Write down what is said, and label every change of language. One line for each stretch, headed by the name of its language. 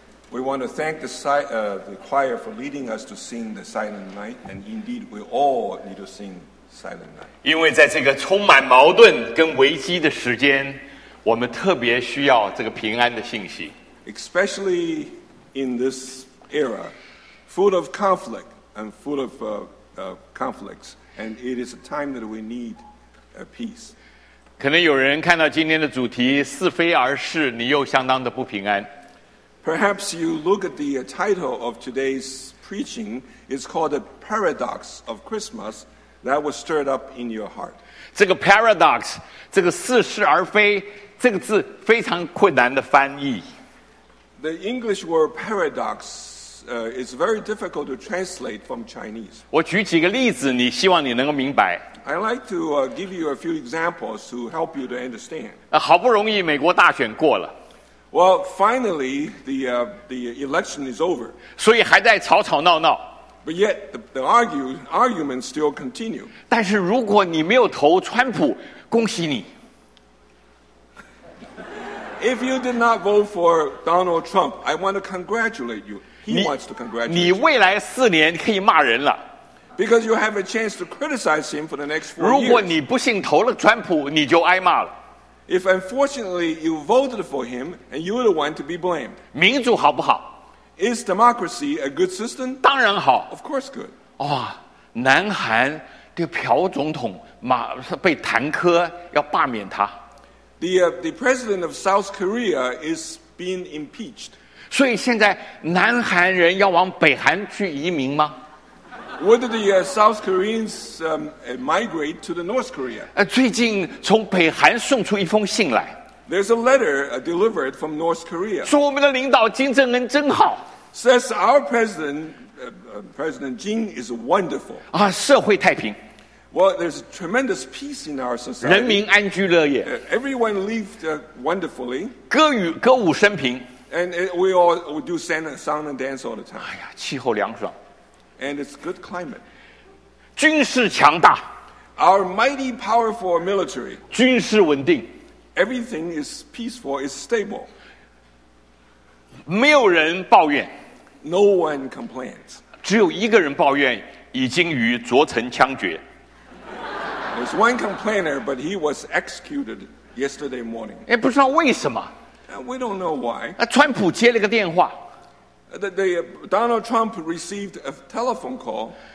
English: We want to thank the choir for leading us to sing the Silent Night, and indeed we all need to sing Silent Night.
Chinese: 因为在这个充满矛盾跟危机的时间，我们特别需要这个平安的信息。
English: Especially in this era, full of conflict and full of conflicts, and it is a time that we need peace.
Chinese: 可能有人看到今天的主题“似非而是”，你又相当的不平安。
English: Perhaps you look at the title of today's preaching. It's called the Paradox of Christmas. That was stirred up in your heart.
Chinese: 这个 paradox, 这个似是而非，这个字非常困难的翻译。
English: The English word paradox, is very difficult to translate from Chinese.
Chinese: 我举几个例子，你希望你能够明白。
English: I'd like to give you a few examples to help you to understand.
Chinese: 好不容易美国大选过了。
English: Well, finally, the election is over.
Chinese: 所以还在吵吵闹闹。
English: But yet, the argument still continue.
Chinese: 但是如果你没有投川普，恭喜你。
English: If you did not vote for Donald Trump, I want to congratulate you. He wants to congratulate you.
Chinese: 你未来四年可以骂人了。
English: Because you have a chance to criticize him for the next four years.
Chinese: 如果你不幸投了川普，你就挨骂了。
English: If unfortunately you voted for him, and you're the one to be blamed.
Chinese: 民主好不好?
English: Is democracy a good system?
Chinese: 当然好。
English: Of course good.
Chinese: 哦，南韩的朴总统马被弹劾，要罢免他。
English: The president of South Korea is being impeached.
Chinese: 所以现在南韩人要往北韩去移民吗?
English: Would the South Koreans migrate to the North Korea?
Chinese: 最近从北韩送出一封信来。
English: There's a letter delivered from North Korea.
Chinese: 说我们的领导金正恩真好。
English: Says our president, President Jin is wonderful.
Chinese: 啊，社会太平。
English: Well, there's tremendous peace in our society.
Chinese: 人民安居乐业。
English: Everyone lived wonderfully.
Chinese: 歌舞升平。
English: And we do song and dance all the time.
Chinese: 哎呀，气候凉爽。
English: And it's good climate.
Chinese: 军事强大。
English: Our mighty, powerful military.
Chinese: 军事稳定。
English: Everything is peaceful, is stable.
Chinese: 没有人抱怨。
English: No one complains.
Chinese: 只有一个人抱怨，已经与卓成枪决。
English: There's one complainer, but he was executed yesterday morning.
Chinese: 哎，不知道为什么。
English: We don't know why.
Chinese: 川普接了个电话。
English: Donald Trump received a telephone call.